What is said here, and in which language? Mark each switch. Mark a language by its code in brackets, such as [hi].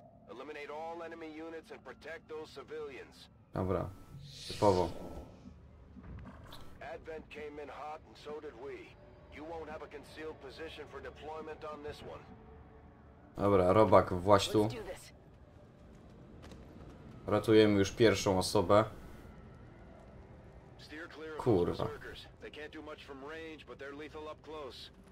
[en] Eliminate all enemy units and protect those civilians. [pl] Dobra, typowo. [en] Advent came in hot and so did we. You won't have a concealed position for deployment on this one. [pl] Dobra, robak właś tu. Ratujemy już pierwszą osobę. Kurwa. [en] They can't do much from range, but they're lethal up close.